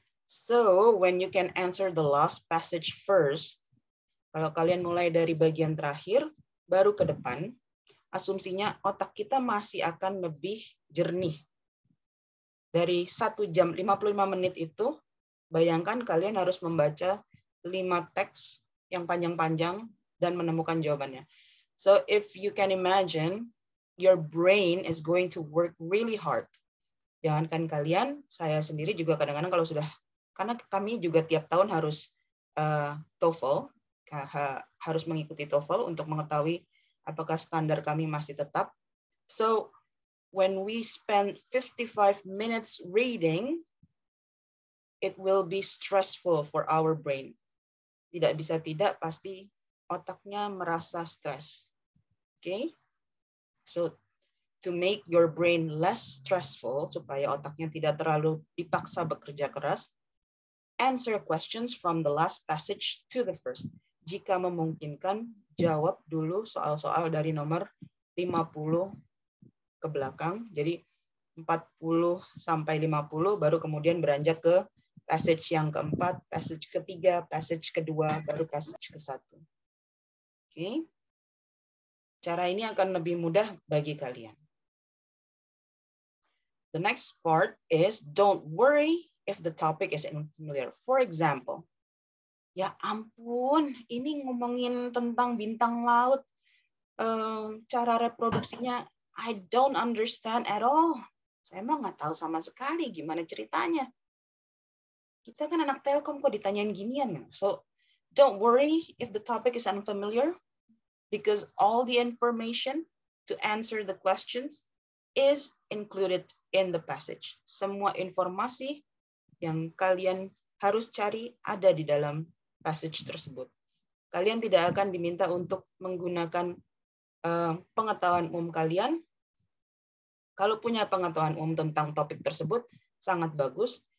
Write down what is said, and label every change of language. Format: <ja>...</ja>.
<en>So, when you can answer the last passage first,</en> <id>kalau kalian mulai dari bagian terakhir, baru ke depan, asumsinya otak kita masih akan lebih jernih. Dari 1 jam 55 menit itu, bayangkan kalian harus membaca 5 teks yang panjang-panjang dan menemukan jawabannya.</id> <en>So if you can imagine, your brain is going to work really hard.</en> <id>Jangankan kalian, saya sendiri juga kadang-kadang kalau sudah, karena kami juga tiap tahun harus TOEFL, harus mengikuti TOEFL untuk mengetahui apakah standar kami masih tetap.</id> <en>So when we spend 55 minutes reading, it will be stressful for our brain.</en> <id>Tidak bisa tidak, pasti otaknya merasa stres.</id> <en>Okay? So, to make your brain less stressful,</en> <id>supaya otaknya tidak terlalu dipaksa bekerja keras,</id> <en>answer questions from the last passage to the first.</en> <id>Jika memungkinkan, jawab dulu soal-soal dari nomor 50 ke belakang. Jadi, 40 sampai 50, baru kemudian beranjak ke passage yang keempat, passage ketiga, passage kedua, baru passage ke-1. Oke. Okay. Cara ini akan lebih mudah bagi kalian.</id> <en>The next part is don't worry if the topic is unfamiliar. For example,</en> <id>ya ampun, ini ngomongin tentang bintang laut, cara reproduksinya,</id> <en>I don't understand at all.</en> <id>Saya emang nggak tahu sama sekali gimana ceritanya. Kita kan anak Telkom, kok ditanyain ginian?</id> <en>So, don't worry if the topic is unfamiliar, because all the information to answer the questions is included in the passage.</en> <id>Semua informasi yang kalian harus cari ada di dalam passage tersebut. Kalian tidak akan diminta untuk menggunakan pengetahuan umum kalian. Kalau punya pengetahuan umum tentang topik tersebut, sangat bagus.</id>